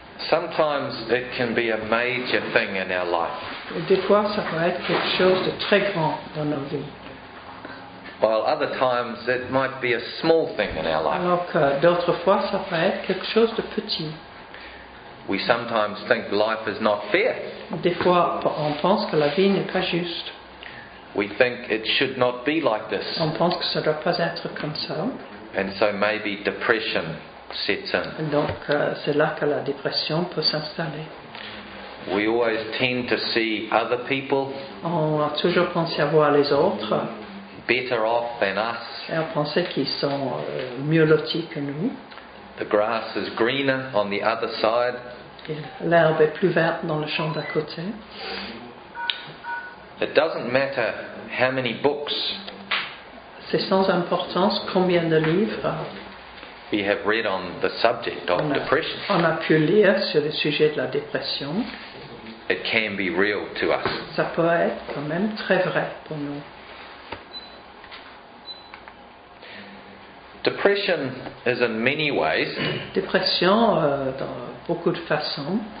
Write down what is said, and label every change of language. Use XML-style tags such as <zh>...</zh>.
<en>Sometimes it can be a major thing in our life.</en> <fr>Des fois, ça peut être quelque chose de très grand dans nos vies.</fr> <en>While other times it might be a small thing in our life.</en> <fr>Alors que d'autres fois, ça peut être quelque chose de petit.</fr> <en>We sometimes think life is not fair.</en> <fr>Des fois, on pense que la vie n'est pas juste.</fr> <en>We think it should not be like this.</en> <fr>On pense que ça ne doit pas être comme ça.</fr> <en>And so maybe depression sets in.</en> <fr>Donc, c'est là que la dépression peut s'installer.</fr> <en>We always tend to see other people.</en> <fr>On a toujours pensé à voir les autres.</fr> <en>Better off than us.</en> <fr>Et on pensait qu'ils sont mieux lotis que nous.</fr> <en>The grass is greener on the other side.</en> <fr>Et l'herbe est plus verte dans le champ d'à côté.</fr> <en>It doesn't matter how many books.</en> <fr>C'est sans importance combien de livres.</fr> <en>We have read on the subject of depression.</en> <fr>On a pu lire sur le sujet de la dépression.</fr> <en>It can be real to us.</en> <fr>Ça peut être quand même très vrai pour nous.</fr> <en>Depression is in many ways.</en> <fr>Dépression dans beaucoup de façons.</fr>